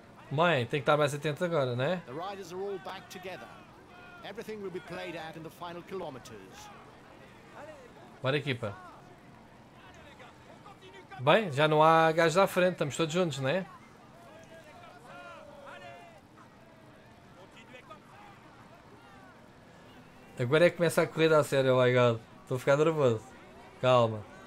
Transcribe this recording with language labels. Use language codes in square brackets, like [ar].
[pt] Mãe, tem que estar mais atento agora, né? Os riders estão todos juntos. [en] Everything will be played out in the final kilometers. [pt] Bora, equipa. Bem, já não há gajos à frente, estamos todos juntos, né? Agora é que começa a corrida a sério, [en] oh my god. [pt] Estou a ficar nervoso. Calma.